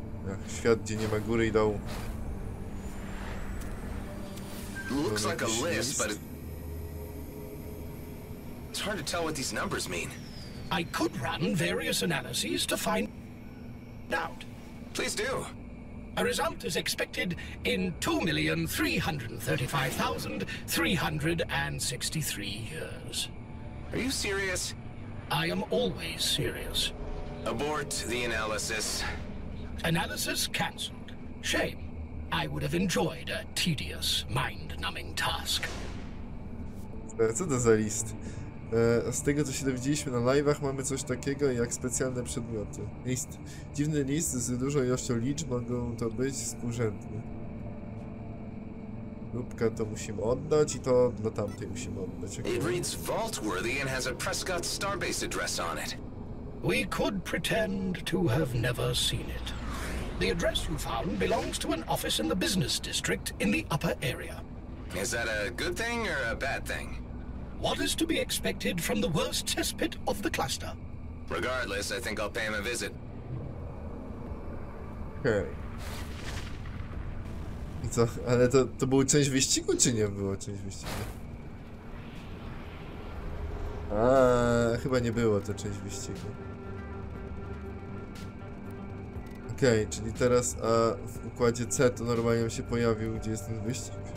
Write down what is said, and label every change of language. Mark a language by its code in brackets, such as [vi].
[pl] Ach, świat, gdzie nie ma góry i dołu. [en] Looks like a list, but it's hard to tell what these numbers mean. I could run various analyses to find out. Please do. A result is expected in 2,335,363 years. Are you serious? I am always serious. Abort the analysis. Analysis cancelled. Shame. I would have enjoyed a tedious, mind-numbing task. [pl] Co to za list? Z tego, co się dowiedzieliśmy na live'ach, mamy coś takiego jak specjalne przedmioty. List. Dziwny list z dużą ilością liczb, mogą to być współrzędne. Lubka to musimy oddać i to dla tamtej musimy oddać. [en] Jak it reads vault-worthy and has a Prescott Starbase address on it. We could pretend to have never seen it. The address you found belongs to an office in the business district in the upper area. Is that a good thing or a bad thing? What is to be expected from the worst cesspit of the cluster? Regardless, I think I'll pay him a visit. Okay. [pl] I co? Ale to było część wyścigu, czy nie było część wyścigu? A chyba nie było to część wyścigu. Okej, okay, czyli teraz a w układzie C to normalnie się pojawił, gdzie jest ten wyścig?